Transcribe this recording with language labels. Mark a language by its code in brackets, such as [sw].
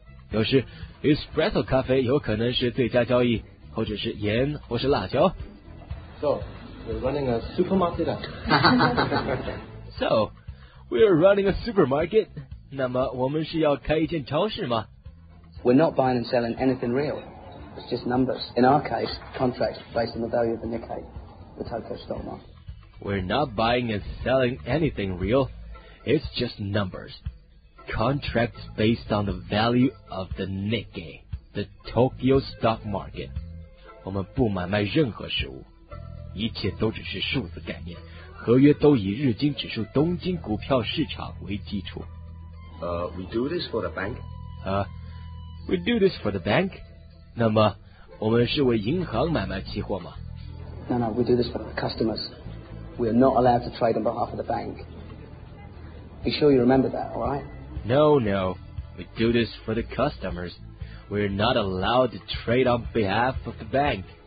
[zh] 有时 espresso 咖啡有可能是最佳交易，或者是盐，或是辣椒。 [en] So, we're running a supermarket. So, we're running a supermarket. [zh] 那么我们是要开一间超市吗？ [en] We're not buying and selling anything real. It's just numbers. In our case, contracts based on the value of the Nikkei, the Tokyo stock market. We're not buying and selling anything real. It's just numbers. Contracts based on the value of the Nikkei, the Tokyo stock market. [zh] 我们不买卖任何事物，一切都只是数字概念。合约都以日经指数东京股票市场为基础。 [en] We do this for the bank. We do this for the bank. [zh] 那么，我们是为银行买卖期货吗？ [en] No, we do this for the customers. We are not allowed to trade on behalf of the bank. Be sure you remember that, all right? No. We do this for the customers. We are not allowed to trade on behalf of the bank.